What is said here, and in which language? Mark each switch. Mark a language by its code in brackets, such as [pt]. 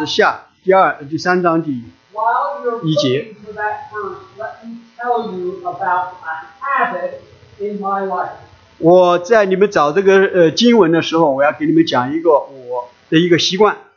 [zh] 我希望你们能够找到历代之上,历代之下,第三章第一节。 [en] While you're looking for that verse, let me tell you about a habit in my life. [zh] 我在你们找这个经文的时候,我要给你们讲一个我的一个习惯。